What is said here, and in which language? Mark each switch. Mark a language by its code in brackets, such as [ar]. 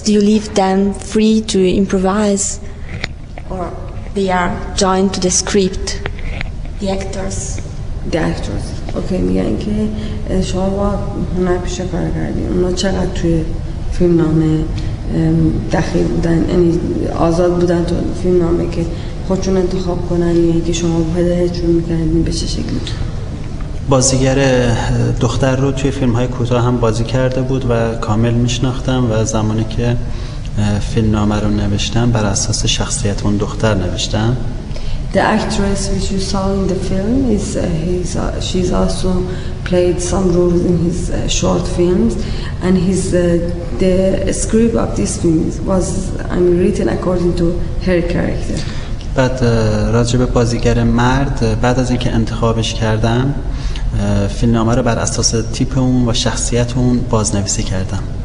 [en] Do you leave them free to improvise, or they are joined to the script? The actors. [fa] Okay, میگن که شما با هنرپیشه کار کردین. اونا چقدر توی فیلمنامه دخیل بودن؟ یعنی آزاد بودن تو فیلمنامه که خودشون انتخاب کنن، یعنی که شما پدرشون میکردین به چه شکلی؟ بازیگر دختر رو توی فیلم‌های کوتاه هم بازی کرده بود و کامل می‌شناختم و زمانی که فیلمنامه رو نوشتم بر اساس شخصیت اون دختر نوشتم. [en] The actress which you saw in the film is she's also played some roles in his short films, and his the script of this film was written according to her character. [fa] بعد راجع به بازیگر مرد، بعد از اینکه انتخابش کردم فیلمنامه رو بر اساس تیپ اون و شخصیت اون بازنویسی کردم.